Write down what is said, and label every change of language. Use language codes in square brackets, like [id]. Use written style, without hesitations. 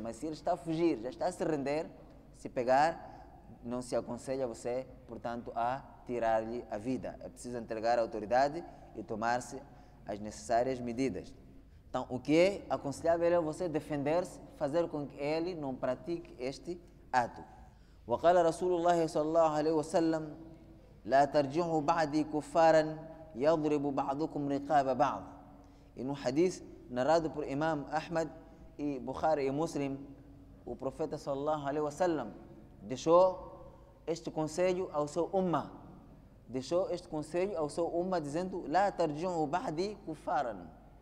[pt] Mas se ele está a fugir, já está a se render, se pegar, não se aconselha você, portanto, a tirar-lhe a vida. É preciso entregar a autoridade e tomar-se as necessárias medidas. Então, o que é aconselhável é você defender-se, fazer com que ele não pratique este ato. [ar] وقال رسول الله صلى الله عليه وسلم لا ترجعوا بعدي كفارا يضرب بعضكم رقاب بعض. إنه حديث [pt] narrado por Imam Ahmad e Bukhari e Muslim. O profeta [ar] صلى الله عليه وسلم [pt] deixou este conselho ao seu umma. Deixou este conselho ao seu umma dizendo [ar] لا ترجعوا بعدي كفارا.